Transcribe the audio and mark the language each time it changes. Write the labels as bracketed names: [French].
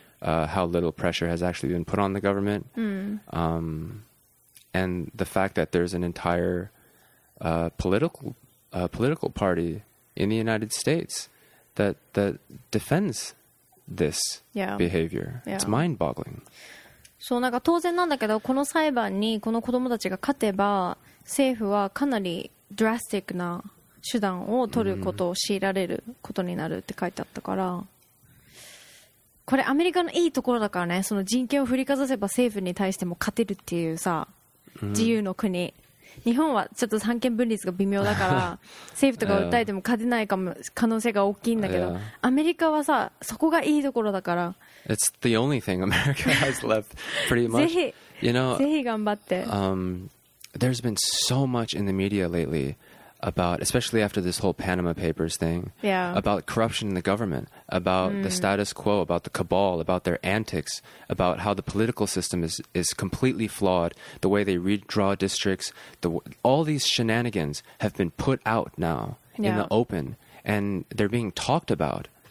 [English] How little pressure has actually been put on the government. Mm. And the fact that there's an entire political party in the United States that defends this behavior. Yeah. It's mind-boggling. [Japanese] そう、なんか当然なんだけど、この裁判にこの子供たちが勝てば、政府はかなりドラスティックな手段を取ることを強いられることになるって書いてあったから、これアメリカのいいところだからね。その人権を振りかざせば政府に対しても勝てるっていうさ、自由の国、うん、日本はちょっと三権分立が微妙だから政府とか訴えても勝てないかも、可能性が大きいんだけど、アメリカはさ、そこがいいところだから。 [English] It's the only thing America has left pretty much. [Japanese] ぜひ、 [English] you know, [Japanese] ぜひ頑張って。 [English] There's been so much in the media latelyabout, especially after this whole Panama Papers thing, about corruption in the government, about the status quo, about the cabal, about their antics, about how the political system is completely flawed, the way they redraw districts, all these shenanigans have been put out now in the open, and they're being talked about.